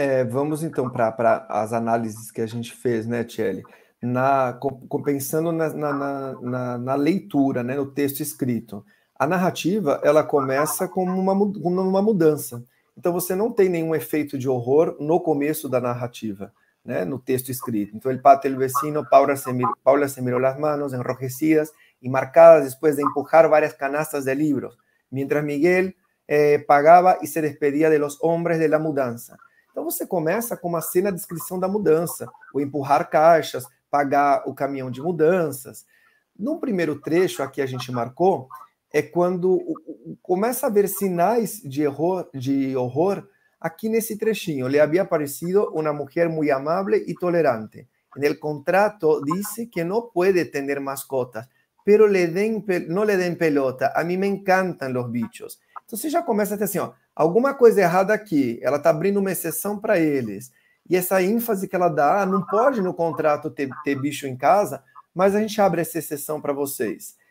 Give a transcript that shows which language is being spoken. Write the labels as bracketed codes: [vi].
[pt] É, vamos então para as análises que a gente fez, né, Tchelle? Pensando na leitura, né, no texto escrito. A narrativa, ela começa com uma mudança. Então, você não tem nenhum efeito de horror no começo da narrativa, né, no texto escrito. Então, [es] el patio del vecino, Paula se miró las manos enrojecidas y marcadas después de empujar varias canastas de libros, mientras Miguel pagaba y se despedía de los hombres de la mudanza. [pt] Então você começa com uma cena de descrição da mudança, o empurrar caixas, pagar o caminhão de mudanças. Num primeiro trecho aqui a gente marcou, é quando começa a haver sinais de horror aqui nesse trechinho. [es] Le había parecido una mujer muy amable y tolerante. En el contrato dice que no puede tener mascotas, pero no le den pelota. A mí me encantan los bichos. [pt] Então você já começa a ter assim, ó. Alguma coisa errada aqui. Ela está abrindo uma exceção para eles. E essa ênfase que ela dá, não pode no contrato ter bicho em casa, mas a gente abre essa exceção para vocês.